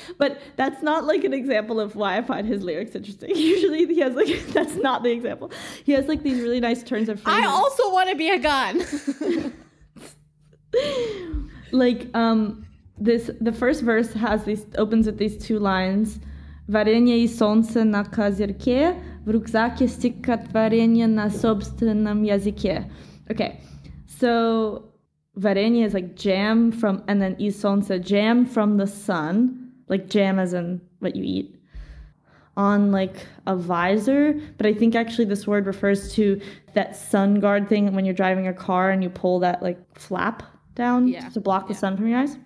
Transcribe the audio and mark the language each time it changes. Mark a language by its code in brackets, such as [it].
[en] But that's not like an example of why I find his lyrics interesting. Usually he has like, that's not the example. He has like these really nice turns of phrase. I also want to be a gun. Like the first verse opens with these two lines. [ru] Варенье и солнце на козырьке, в рюкзаке стихотворение на собственном языке. [en] Okay, so варенье is like jam from, and then [ru] и солнце, [en] jam from the sun, like jam as in what you eat, on like a visor. But I think actually this word refers to that sun guard thing when you're driving a car and you pull that like flap down to block the sun from your eyes.